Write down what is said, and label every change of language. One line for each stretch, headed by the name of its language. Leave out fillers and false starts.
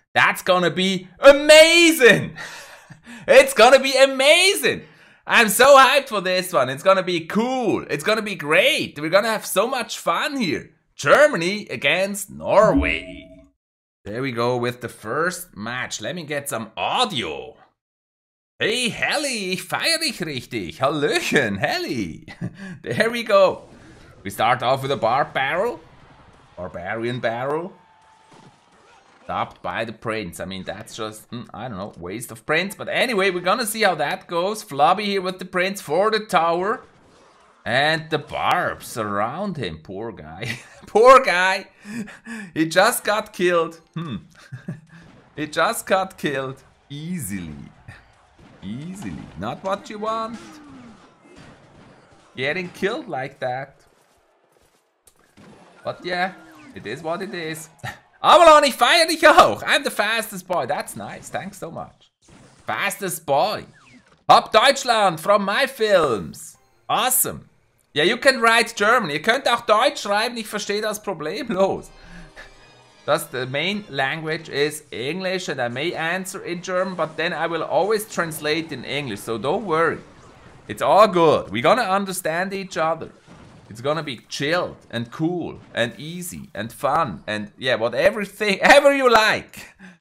English: That's gonna be amazing. It's gonna be amazing. I'm so hyped for this one. It's gonna be cool. It's gonna be great. We're gonna have so much fun here. Germany against Norway. There we go with the first match. Let me get some audio.
German: Hey, Helle, ich feier dich richtig. Hallöchen,
English: Helle. There we go. We start off with a barbarian barrel. Stopped by the prince. I mean, that's just, I don't know, waste of prince. But anyway, we're gonna see how that goes. Flobby here with the prince for the tower. And the barbs around him. Poor guy. Poor guy. He just got killed. He just got killed. Easily. Not what you want. Getting killed like that. But yeah, it is what it is.
German: Avalon, ich feier dich auch.
English: I'm the fastest boy. That's nice. Thanks so much. Fastest boy. Hop Deutschland from my films. Awesome. Yeah, you can write German.
German: Ihr könnt auch Deutsch schreiben. Ich verstehe das problemlos.
English: Just the main language is English, and I may answer in German, but then I will always translate in English. So don't worry. It's all good. We're gonna understand each other. It's gonna be chilled and cool and easy and fun and yeah, whatever thing, ever you like.